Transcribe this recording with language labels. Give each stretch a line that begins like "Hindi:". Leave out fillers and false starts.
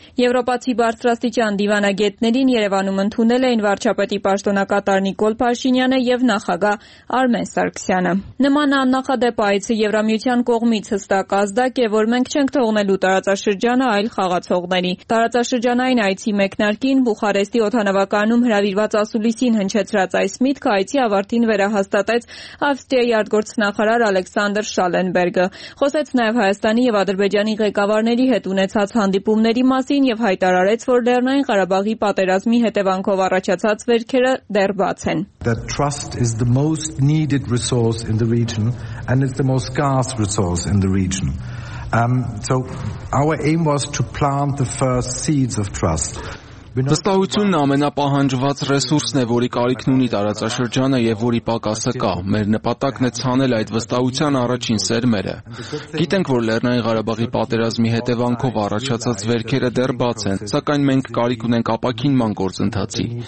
Armenian: Եվրոպացի բարձրաստիճան դիվանագետներին Երևանում ընդունել էին վարչապետի պաշտոնակատար Նիկոլ Փաշինյանը և նախագահ Արմեն Սարգսյանը։ Նման աննախադեպ այցը Եվրամիության կողմից հստակ ազդակ է, որ մենք չենք թողնելու տարածաշրջանը այլ խաղացողների։ Տարածաշրջանային այցի մեկնարկին Բուխարեստի օդանավակայանում հրավիրված ասուլիսին հնչեց ծրած այս միտքը այցի ավարտին վերահաստատեց Ավստրիայի արտգործնախարար Ալեքսանդր Շալենբերգը։ Խոսեց նաև Հայաստանի և Ադրբեջանի ղեկավարների հետ ունեցած հանդիպումների մասին և հայտարարեց, որ Լեռնային Ղարաբաղի պատերազմի հետևանքով առաջացած վերքերը դեռ բաց են։
English: The trust is the most needed resource in the region and it's the most scarce resource in the region. So our aim was to plant the first seeds of trust.
Armenian: Վստահությունն ամենապահանջված ռեսուրսն է, որի կարիքն ունի տարածաշրջանը և որի պակասը կա։ Մեր նպատակն է ցանել այդ վստահության առաջին սերմերը։ Գիտենք, որ Լեռնային Ղարաբաղի պատերազմի հետևանքով առաջացած վերքերը դեռ բաց են, սակայն մենք կարիք ունենք ապակինման գործընթացի։